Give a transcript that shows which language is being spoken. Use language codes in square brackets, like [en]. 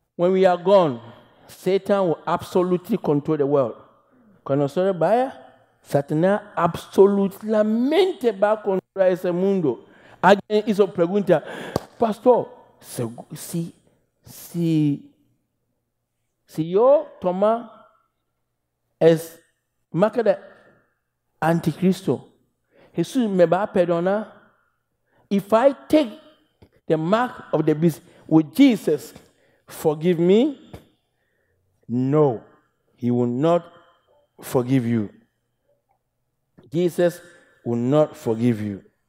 [en] When we are gone, Satan will absolutely control the world. [es] Cuando nosotros vaya, Satan absolutamente va a controlar ese mundo. Alguien hizo pregunta, Pastor, si yo toma es marca de anticristo, Jesús me va a perdonar. [en] If I take the mark of the beast, would Jesus forgive me? No, he will not forgive you. Jesus will not forgive you.